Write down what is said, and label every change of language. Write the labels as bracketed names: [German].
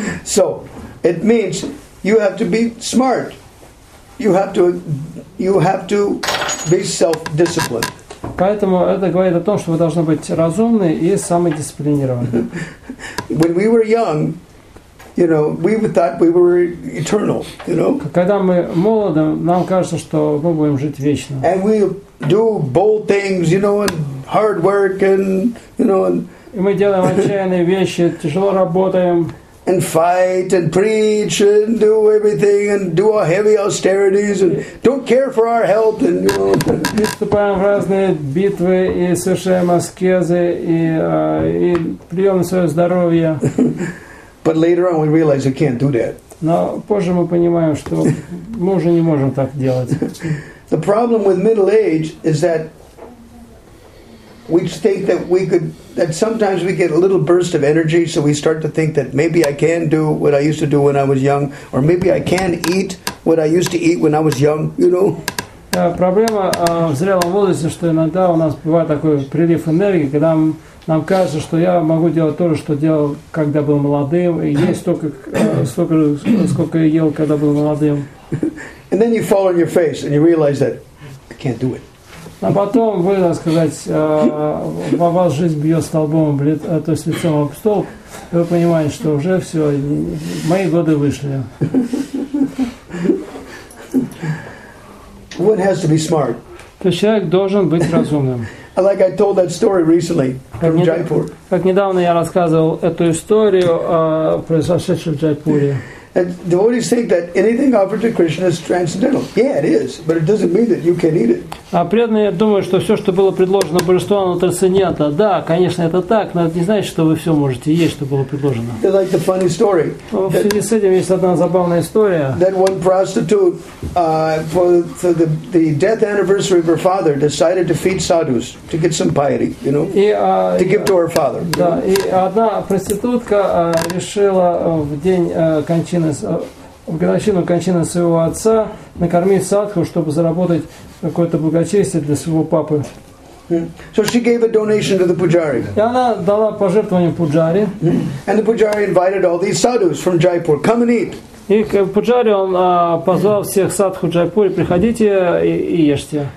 [English] So, it means you have to be smart. You have to be self-disciplined. [Russian] Поэтому это говорит о том, что вы должны быть разумны и самодисциплинированы. [English] When we were young, you know, we thought we were eternal, you know. [Russian] Когда мы молоды, нам кажется, что мы будем жить вечно. [English] And we do bold things, you know, and hard work, and you know. [Russian] И мы делаем отчаянные вещи, тяжело работаем. [English] And fight and preach and do everything and do our heavy austerities and don't care for our health and you know. [Russian] Выступаем в разные битвы и совершаем аскезы и плюем на свое здоровье. [English] But later on we realize we can't do that. [Russian] Но позже мы понимаем, что мы уже не можем так делать. [English] The problem with middle age is that we think that we could, that sometimes we get a little burst of energy, so we start to think that maybe I can do what I used to do when I was young, or maybe I can eat what I used to eat when I was young, you know? [Russian] Проблема в зрелом возрасте, что иногда у нас бывает такой прилив энергии, когда нам кажется, что я могу делать то же, что делал, когда был молодым, и есть столько, сколько я ел, когда был молодым. [English] And then you fall on your face, and you realize that I can't do it. [Russian] А потом вы, так сказать, во вас жизнь бьет столбом, то есть лицом об столб, и вы понимаете, что уже все, мои годы вышли. [English] One has to be smart. [Russian] То есть человек должен быть разумным. [English] Like I told that story recently from Jaipur. [Russian] Как недавно я рассказывал эту историю о произошедшем в Джайпуре. [English] And devotees think that anything offered to Krishna is transcendental. Yeah, it is, but it doesn't mean that you can eat it. [Russian] А преданные думают, что все, что было предложено Божеству, оно трансцендентно. Да, конечно, это так, но это не значит, что вы все можете есть, что было предложено. [English] They like the funny story. [Russian] В связи с этим есть одна забавная история. [English] That one prostitute for the death anniversary of her father decided to feed sadhus to get some piety, you know, to give to her father. [Russian] Да, и одна проститутка решила в день кончины, в годовщину кончины своего отца накормить садху, чтобы заработать какое-то благочестие для своего папы. [English] So she gave a donation to the pujari. [Russian] И она дала пожертвование пуджари. [English] And the pujari invited all these sadhus from Jaipur. Come and eat. [Russian] И пуджари он позвал всех садху Джайпури, приходите и ешьте.